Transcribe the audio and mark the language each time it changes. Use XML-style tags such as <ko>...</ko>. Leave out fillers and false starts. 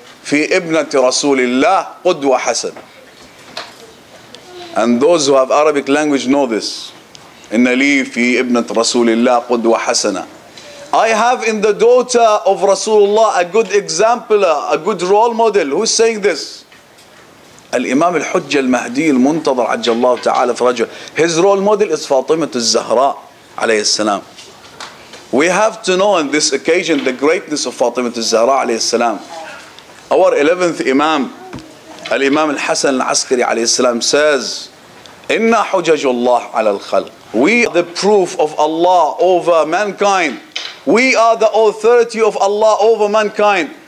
<ar>في ابنة رسول الله قدوة حسنة.</ar> <en>And those who have Arabic language know this.</en> <ar>إن لي في ابنة رسول الله قدوة حسنة.</ar> <en>I have in the daughter of Rasulullah a good example, a good role model. Who's saying this?</en> <ar>الإمام الحجة المهدي المنتظر عجل الله تعالى فرجه.</ar> <en>His role model is فاطمة الزهراء</en> <ar>عليه السلام.</ar> <en>We have to know on this occasion the greatness of فاطمة الزهراء</en> <ar>عليه السلام.</ar> <en>Our 11th Imam, الإمام الحسن العسكري عليه السلام says,</en> <ar>إنا حجج الله على الخلق.</ar> <en>We are the proof of Allah over mankind. We are the authority of Allah over mankind.</en>